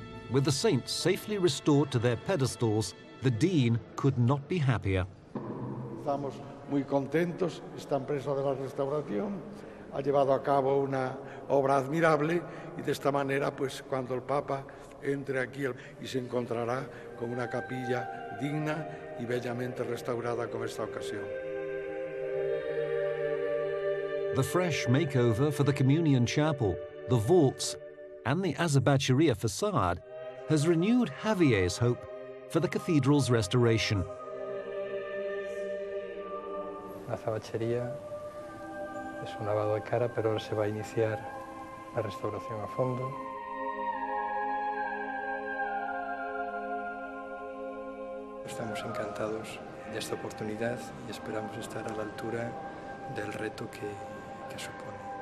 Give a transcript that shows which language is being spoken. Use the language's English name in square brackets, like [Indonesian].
[English] With the saints safely restored to their pedestals, the dean could not be happier. [Spanish] Estamos muy contentos. Esta empresa de la restauración ha llevado a cabo una obra admirable, y de esta manera, pues, cuando el Papa entre aquí y se encontrará con una capilla digna y bellamente restaurada con esta ocasión. [English] The fresh makeover for the communion chapel, the vaults, and the azabacheria facade has renewed Javier's hope for the cathedral's restoration. [Spanish] La azabachería es un lavado de cara, pero ahora se va a iniciar la restauración a fondo. Estamos encantados de esta oportunidad y esperamos estar a la altura del reto que supone.